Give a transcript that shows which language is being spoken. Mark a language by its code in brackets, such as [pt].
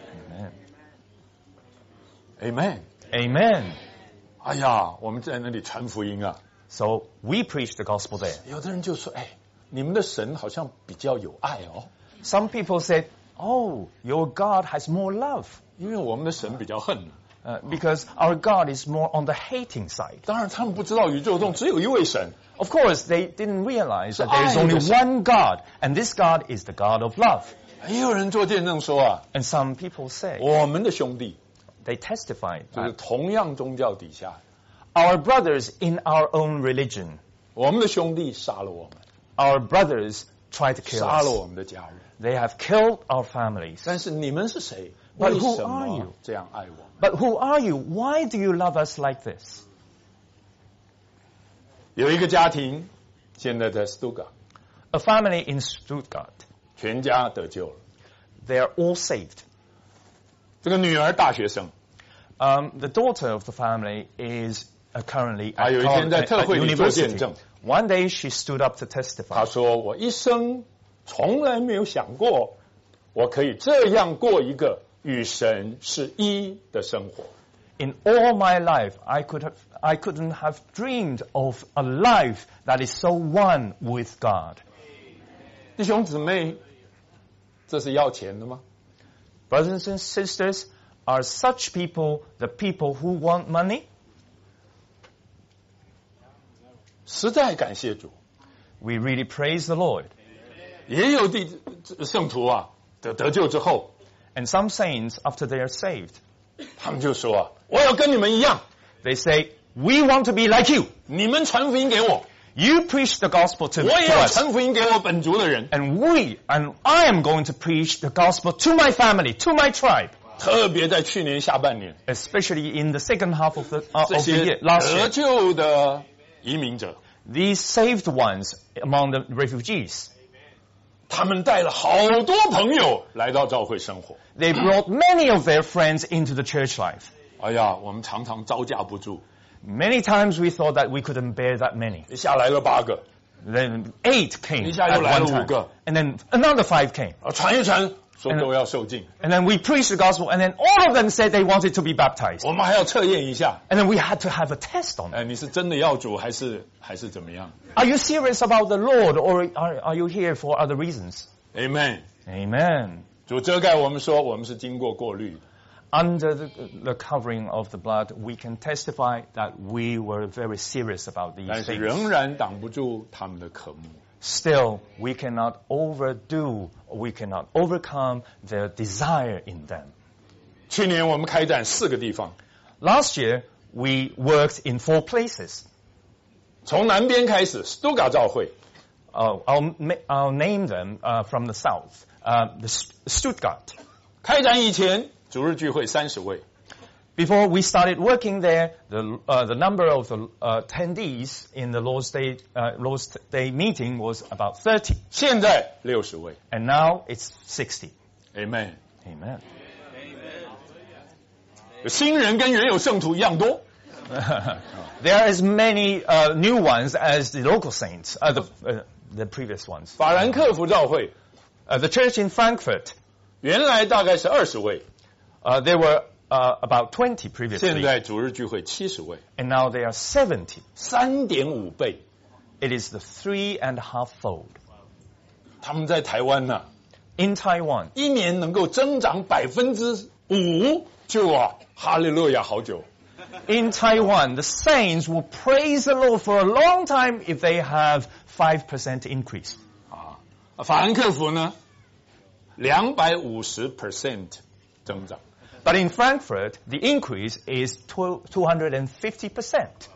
[en] Amen. Amen. Amen. [zh] 哎呀我们在那里传福音啊。 [en] So we preach the gospel there. [zh] 有的人就说哎。你们的神好像比较有爱哦。 [en] Some people said, Oh, your God has more love. [zh] 因为我们的神比较恨。 [en] Because our God is more on the hating side. [zh] 当然他们不知道宇宙中只有一位神。 [en] Of course, they didn't realize that there is only one God, and this God is the God of love. [zh] 也有人做见证说啊。 [en] And some people say, [zh] 我们的兄弟。 [en] They testify. [zh] 就是同样宗教底下。 [en] Our brothers in our own religion. [zh] 我们的兄弟杀了我们。 [en] Our brothers tried to kill us. [zh] 杀了我们的家人。 [en] They have killed our families. [zh] 但是你们是谁？ [en] But who are you? [zh] 这样爱我们。 [en] But who are you? Why do you love us like this? [zh] 有一个家庭现在在 Stuttgart. [en] A family in Stuttgart. [zh] 全家得救了。 [en] They are all saved. [zh] 这个女儿大学生。 [en] The daughter of the family is currently at college, [zh] 有一天在特会里做见证。 [en] One day she stood up to testify. [zh] 她说我一生从来没有想过我可以这样过一个与神是一的生活。 [en] In all my life, I couldn't have dreamed of a life that is so one with God. [zh] 弟兄姊妹，这是要钱的吗？ [en] Brothers and sisters, are such people the people who want money? [zh] 实在感谢主。 [en] We really praise the Lord. [zh] 也有弟圣徒啊，得救之后。 [en] And some saints, after they are saved, [zh] 他们就说，我要跟你们一样。 [en] They say, we want to be like you. [zh] 你们传福音给我。 [en] You preach the gospel to us. [zh] 我也要传福音给我本族的人。 [en] And I am going to preach the gospel to my family, to my tribe. [zh] 特别在去年下半年。 [en] Especially in the second half of the year, last year. [zh] 得救的移民者。 [en] These saved ones among the refugees. [zh] 他们带了好多朋友来到教会生活。 [en] They brought many of their friends into the church life. [zh] 哎呀，我们常常招架不住。 [en] Many times we thought that we couldn't bear that many. [zh] 一下来了八个。 [en] Then eight came. [zh] 一下又来了五个。 [en] And then another five came. [zh] 传一传，说都要受浸。 [en] And then we preached the gospel, and then all of them said they wanted to be baptized. [zh] 我们还要测验一下。 [en] And then we had to have a test on. [zh] 哎，你是真的要主还是怎么样？ [en] Are you serious about the Lord, or are you here for other reasons? Amen. Amen. [zh] 主遮盖我们说，我们是经过过滤。 [en] Under the covering of the blood, we can testify that we were very serious about these things. [zh] 但是仍然挡不住他们的渴慕。 [en] Still, we cannot overdo, we cannot overcome their desire in them. [zh] 去年我们开展四个地方。 [en] Last year, we worked in four places. [zh] 从南边开始 ,Stuttgart 教会。 [en] I'll name them, from the south, Stuttgart. [zh] 开展以前主日聚会30位。 [en] Before we started working there, the number of the attendees in the Lord's Day meeting was about 30. [zh] 现在60位。 [en] And now it's 60. Amen. Amen. Amen. [zh] 新人跟原有圣徒一样多。 [en] There are as many new ones as the local saints, the previous ones. [zh] 法兰克福教会 [en] The church in Frankfurt. [zh] 原来大概是20位 [en] There were about 20 previously. [zh] 现在主日聚会70位 [en] And now they are 70. [zh] 3.5 倍 [en] It is the 3.5-fold. [zh] 他们在台湾呢 [en] In Taiwan. [zh] 一年能够增长 5% 就啊哈利路亚好久 [en] In Taiwan, the saints will praise the Lord for a long time if they have 5% increase. [zh] 啊，法兰克福呢 ,250% 增长。 [en] But in Frankfurt, the increase is 250%.